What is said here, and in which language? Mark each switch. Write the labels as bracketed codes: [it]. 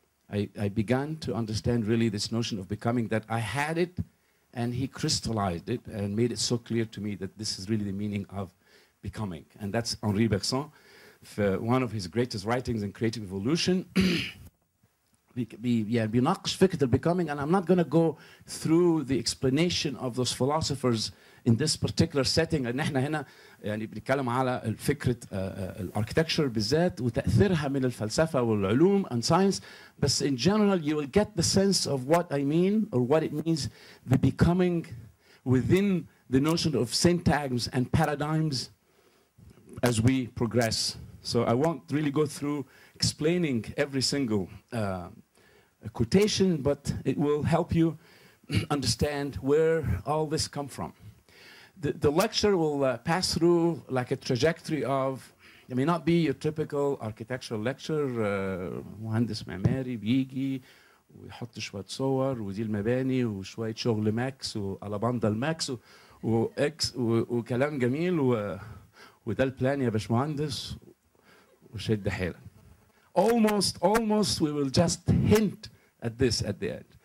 [en] I began to understand really this notion of becoming, that I had it, and he crystallized it and made it so clear to me that this is really the meaning of becoming. And that's Henri Bergson, for one of his greatest writings in Creative Evolution. becoming, and I'm not going to go through the explanation of those philosophers in this particular setting. [ar] And نحن هنا يعني بنتكلم على فكرة architecture بالذات وتأثيرها من الفلسفة والعلوم [en] and science. But in general, you will get the sense of what I mean or what it means, the becoming within the notion of syntagms and paradigms as we progress. So I won't really go through explaining every single a quotation, but it will help you understand where all this come from. The lecture will pass through like a trajectory of, it may not be your typical architectural lecture, [ar] مهندس معماري بيجي ويحط شوية صور ودي المباني وشوية شغل ماكس والاباندا الماكس واكس وكلام جميل وده البلان يا باشمهندس وشد حيلك. [en] Almost we will just hint at this at the end.